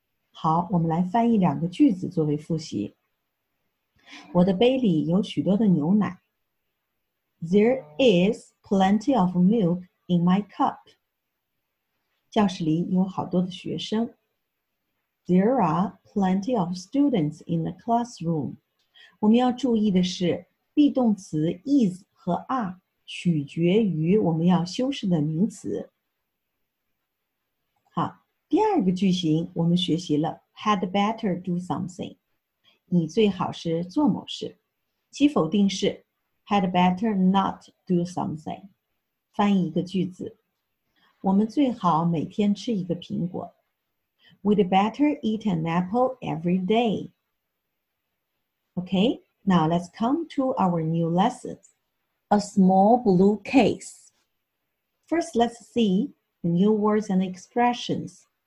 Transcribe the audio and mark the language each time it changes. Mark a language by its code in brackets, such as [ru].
[zh] 好，我们来翻译两个句子作为复习。我的杯里有许多的牛奶。 [en] There is plenty of milk in my cup. [zh] 教室里有好多的学生。 [en] There are plenty of students in the classroom. [zh] 我们要注意的是 ,be 动词 is 和 are 取决于我们要修饰的名词。好，第二个句型我们学习了 , [en] had better do something. [zh] 你最好是做某事。其否定是 [en] Had better not do something. [zh] 翻译一个句子。我们最好每天吃一个苹果。 [en] We'd better eat an apple every day. Okay, now let's come to our new lessons. A small blue case. First, let's see the new words and expressions.